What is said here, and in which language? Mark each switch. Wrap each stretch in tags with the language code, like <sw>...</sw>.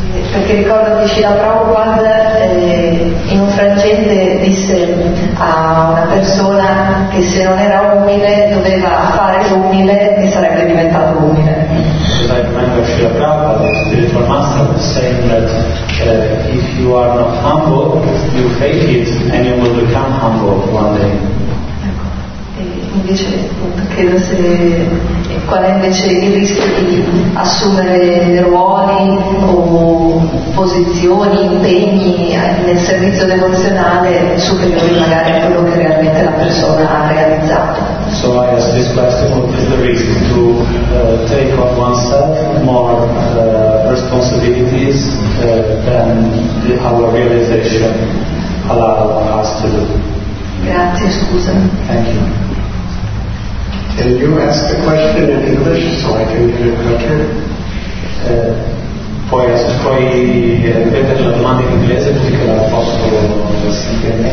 <it>Perché ricordo che Srila Prabhupada in un frangente disse a una persona che se non era umile doveva fare l'umile e sarebbe diventato umile.</it> <en>Srila Prabhupada, il spiritual master, saying that if you are not humble, you fake it and you will become humble one day.</en> <it>Invece credo se qual è invece il rischio di assumere ruoli o posizioni, impegni nel servizio devozionale superiori magari a quello che realmente la persona ha realizzato.</it> <en>So I ask this question, what is the risk to take on oneself more responsibilities than our realization allows us to do?</en> <it>Grazie, scusa.</it> <en>Thank you. Can you ask the question in English so I can get it better?</en> <it>Poi puoi ripetere la domanda in inglese perché la posso sentire.</it>